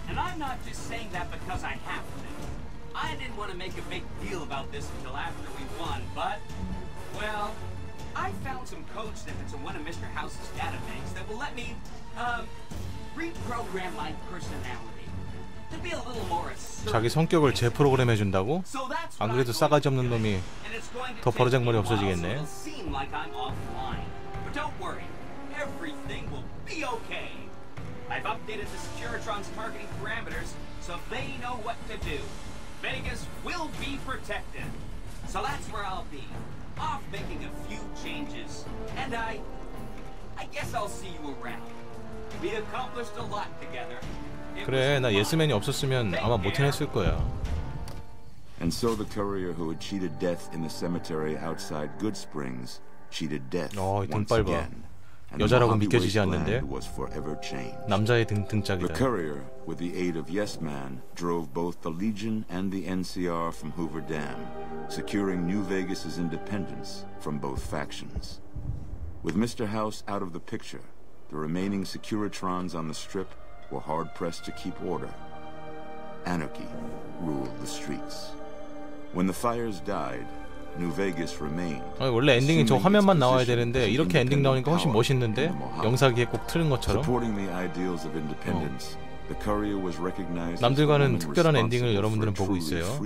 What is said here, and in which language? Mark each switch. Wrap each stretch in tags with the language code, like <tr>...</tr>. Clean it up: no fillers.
<en>And I'm not just saying that because I have to. I didn't want to make a big deal about this until after we won, but, well, I found some code snippets in one of Mr. House's databanks that will let me, reprogram my personality. To be a little more assertive.</en> <ko>자기 성격을 재프로그램해 준다고? 안 그래도 싸가지 없는 놈이 더 버르장머리 없어지겠네.</ko> <en>But don't worry. Everything will be okay. I've updated the Securitron's targeting parameters so they know what to do. Vegas will be protected. So that's where I'll be. Off making a few changes. And I guess I'll see you around. We accomplished a lot together.</en> <ko>그래, 나 예스맨이 없었으면 아마 못 해냈을 거야.</ko> <en>And so the courier who had cheated death in the cemetery outside Good Springs cheated death once again.</en> <ko>여자라고 믿겨지지 않는데 남자의 등짝이다.</ko> <en>The courier, with the aid of Yes Man, drove both the Legion and the NCR from Hoover Dam, securing New Vegas' independence from both factions. With Mr. House out of the picture, the remaining Securitrons on the strip were hard-pressed to keep order. Anarchy ruled the streets. When the fires died, New Vegas remained.</en> <ko>아니, 원래 엔딩이 저 화면만 나와야 되는데 이렇게 엔딩 나오니까 훨씬 멋있는데 영상이 꼭 틀은 것처럼.</ko> <en>Supporting the ideals of independence, the courier was recognized.</en> <ko>남들과는 특별한 엔딩을 여러분들은 보고 있어요.</ko>